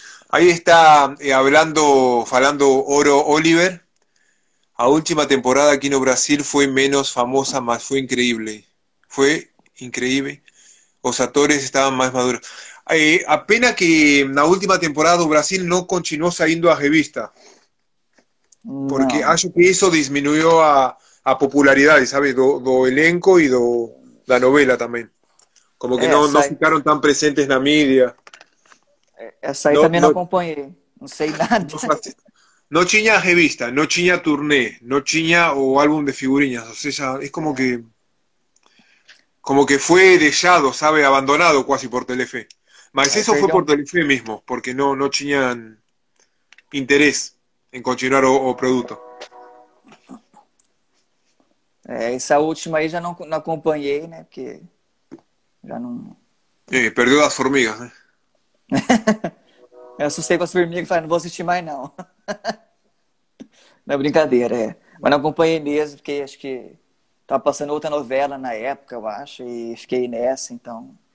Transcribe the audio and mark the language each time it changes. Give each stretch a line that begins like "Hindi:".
Portuguese: Aí está falando Oro Oliver. A última temporada aqui no Brasil foi menos famosa, mas foi incrível. Foi incrível. Os atores estavam mais maduros. A pena que na última temporada do Brasil não continuou saindo a revista.
Spanish: Porque no.
Portuguese: Acho que
Spanish: eso disminuyó a popularidad, ¿sabes? Do elenco y do la novela también. Como que no, no ficaron tan presentes en la media. Esa ahí no, también no acompañé. No sé nada. No tenía revista, no tenía turné, no tenía o álbum de figurinhas. O sea, es como que. Como que fue dejado, ¿sabes? Abandonado casi por Telefe. Mas eso fue por Telefe mismo, porque no tenían interés
Portuguese: em continuar o produto. Essa última aí já não acompanhei, né? Porque já não... Perdeu as formigas, né? Eu assustei com as formigas e falei, não vou assistir mais, não. Não é brincadeira, é. Mas não acompanhei mesmo, porque acho que tava passando outra novela na época, eu acho, e fiquei nessa, então...